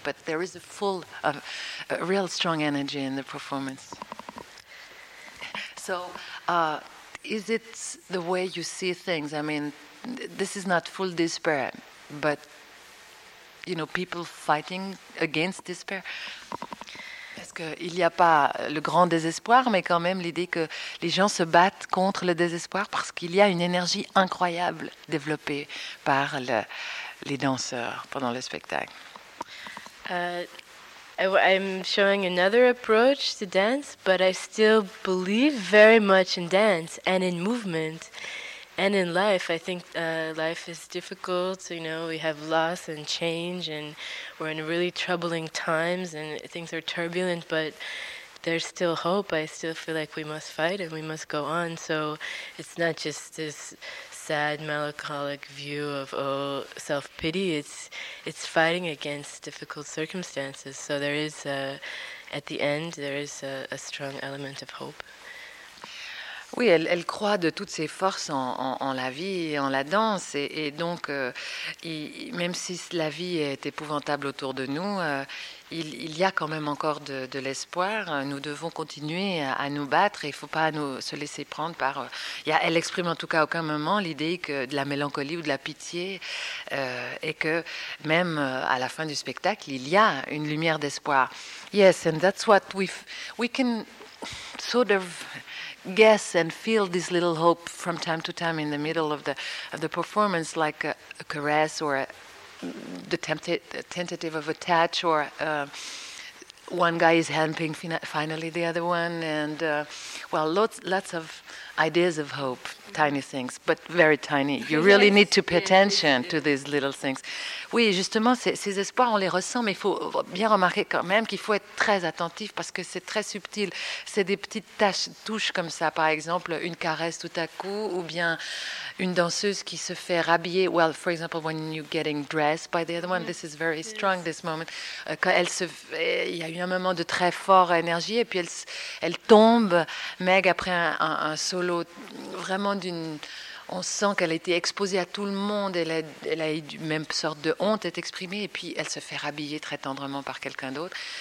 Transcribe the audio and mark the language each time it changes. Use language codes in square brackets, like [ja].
[en] But there is a real strong energy in the performance. So, is it the way you see things? I mean, this is not full despair, but you know, people fighting against despair. [fr] qu'il n'y a pas le grand désespoir, mais quand même l'idée que les gens se battent contre le désespoir parce qu'il y a une énergie incroyable développée par les danseurs pendant le spectacle. [en] I'm showing another approach to dance, but I still believe very much in dance and in movement. And in life, I think life is difficult, you know, we have loss and change and we're in really troubling times and things are turbulent, but there's still hope. I still feel like we must fight and we must go on. So it's not just this sad, melancholic view of, oh, self-pity. It's fighting against difficult circumstances. So there is, at the end, there is a strong element of hope. [fr] Oui, elle croit de toutes ses forces en la vie et en la danse. Et donc, même si la vie est épouvantable autour de nous, il y a quand même encore de l'espoir. Nous devons continuer à nous battre et il ne faut pas se laisser prendre par... elle exprime en tout cas à aucun moment l'idée que de la mélancolie ou de la pitié et que même à la fin du spectacle, il y a une lumière d'espoir. [en] Yes, and that's what we can sort of... guess and feel this little hope from time to time in the middle of the performance, like a caress or the tentative of a touch, or one guy is helping finally the other one, and lots of ideas of hope, tiny things, but very tiny. You really need to pay attention to these little things. [fr] Oui, justement, ces espoirs, on les ressent, mais il faut bien remarquer quand même qu'il faut être très attentif parce que c'est très subtil. C'est des petites touches comme ça, par exemple, une caresse tout à coup, ou bien une danseuse qui se fait rhabiller. [en] Well, for example, when you're getting dressed by the other one, this is very strong, this moment. [fr] Il y a eu un moment de très forte énergie, et puis elle tombe, Meg, après un solo vraiment d'une... On sent qu'elle a été exposée à tout le monde, elle a eu une même sorte de honte est exprimée, et puis elle se fait rhabiller très tendrement par quelqu'un d'autre.